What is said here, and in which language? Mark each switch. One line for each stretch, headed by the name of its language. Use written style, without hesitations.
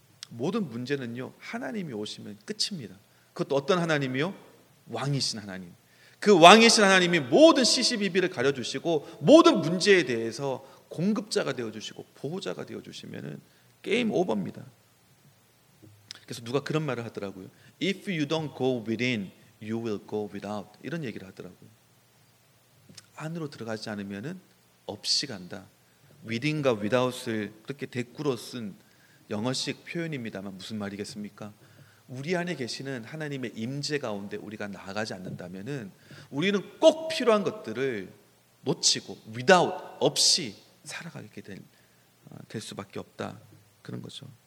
Korean: 모든 문제는요 하나님이 오시면 끝입니다. 그것도 어떤 하나님이요? 왕이신 하나님. 그 왕이신 하나님이 모든 시시비비를 가려주시고 모든 문제에 대해서 공급자가 되어주시고 보호자가 되어주시면은 게임 오버입니다. 그래서 누가 그런 말을 하더라고요.
English: If you don't go within, you will go without.
Korean: 이런 얘기를 하더라고요. 안으로 들어가지 않으면은 없이 간다. Within과 without을 그렇게 대꾸로 쓴 영어식 표현입니다만 무슨 말이겠습니까? 우리 안에 계시는 하나님의 임재 가운데 우리가 나아가지 않는다면은 우리는 꼭 필요한 것들을 놓치고 without, 없이 살아가게 될 수밖에 없다. 그런 거죠.